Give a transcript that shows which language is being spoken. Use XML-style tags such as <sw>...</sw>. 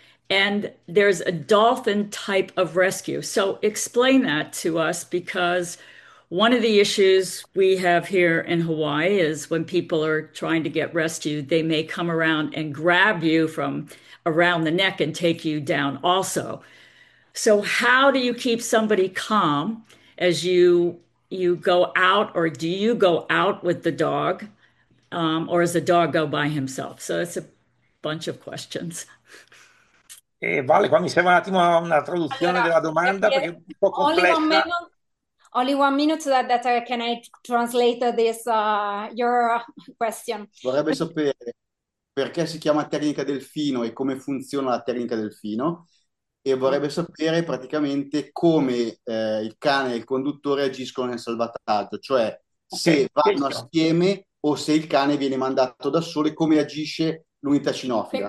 <en>And there's a dolphin type of rescue. So explain that to us because one of the issues we have here in Hawaii is when people are trying to get rescued, they may come around and grab you from around the neck and take you down also. So how do you keep somebody calm as you go out, or do you go out with the dog, or does the dog go by himself? So it's a bunch of questions.</en> <it>Vale, qua mi serve un attimo una traduzione Allora, della domanda perché è un po' complessa.</it> <en>only 1 minute that can I translate this your question.</en> <it>Vorrebbe sapere perché si chiama tecnica delfino e come funziona la tecnica delfino, e vorrebbe sapere praticamente come il cane e il conduttore agiscono nel salvataggio, cioè se Ok, vanno assieme o se il cane viene mandato da solo e come agisce l'unità cinofila.</it>